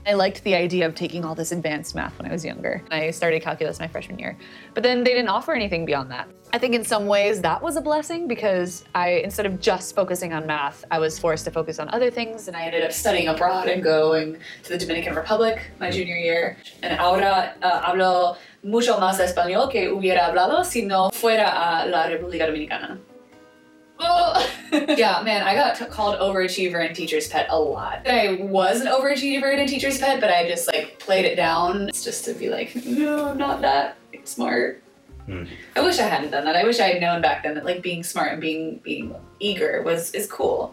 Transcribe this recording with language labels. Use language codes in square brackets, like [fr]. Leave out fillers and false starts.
[en] I liked the idea of taking all this advanced math when I was younger. I started calculus my freshman year, but then they didn't offer anything beyond that. I think in some ways that was a blessing because I, instead of just focusing on math, I was forced to focus on other things, and I ended up studying abroad and going to the Dominican Republic my junior year. [es] And ahora hablo mucho más español que hubiera hablado si no fuera a la República Dominicana. [en] Oh. Yeah, man, I got called overachiever and teacher's pet a lot. I was an overachiever and a teacher's pet, but I just like played it down. It's just to be like, no, I'm not that smart. I wish I hadn't done that. I wish I had known back then that like being smart and being eager is cool.